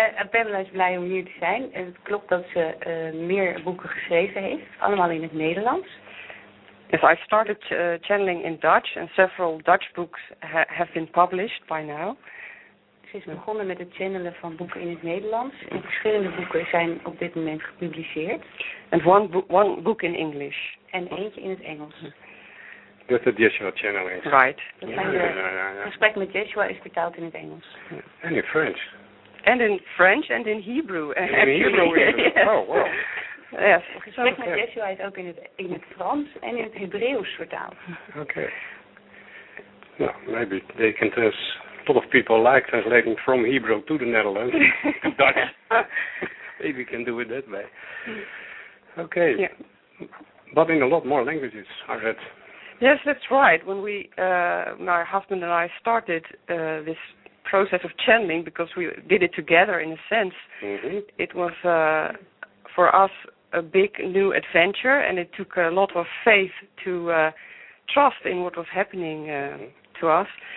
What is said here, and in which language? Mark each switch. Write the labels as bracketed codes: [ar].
[nl] Pamela is blij om hier te zijn. En het klopt dat ze meer boeken geschreven heeft, allemaal in het Nederlands. [en] Yes, I started channeling in Dutch and several Dutch books have been published by now. [nl] Ze is begonnen met het channelen van boeken in het Nederlands. En verschillende boeken zijn op dit moment gepubliceerd. [en] And one book in English. [nl] En eentje in het Engels. Dat is het Yeshua channeling. [en] Right. [nl] Dat zijn de gesprek met Yeshua is vertaald in het Engels. En in French. [en] And in French and in Hebrew. In Hebrew. Yes. Oh, wow. Yes. [nl] Het gesprek met Yeshua is ook in het Frans en in het Hebreeuws vertaald. [en] Oké. Okay. Nou, well, maybe they can test. A lot of people like translating from Hebrew to the Netherlands, Dutch. Maybe we can do it that way. Okay. Yeah. But in a lot more languages, I read. Yes, that's right. When we, my husband and I started this process of channeling, because we did it together in a sense, it was for us a big new adventure, and it took a lot of faith to trust in what was happening to us.